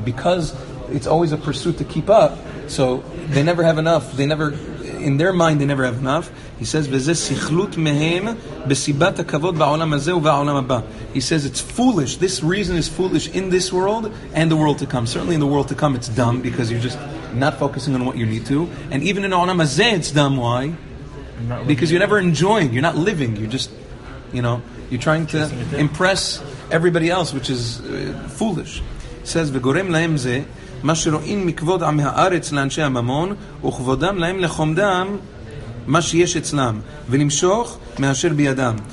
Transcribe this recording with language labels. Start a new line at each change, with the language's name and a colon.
English: Because it's always a pursuit to keep up, so they never have enough. In their mind, they never have enough. He says,
Hebrew: וזה שכלות מהם בסיבת הכבוד בעולם הזה ובעולם הבא.
English: He says, it's foolish. This reason is foolish in this world and the world to come. Certainly in the world to come, it's dumb because you're just not focusing on what you need to. And even in העולם הזה, it's dumb. Why? Because you're never enjoying. You're not living. You're just, you know, you're trying to impress everybody else, which is foolish. It says,
Hebrew: וגורם להם זה מה שרואים מכבוד עם הארץ לאנשי הממון וכבודם להם לחומדם מה שיש אצלם ולמשוך מאשר בידם.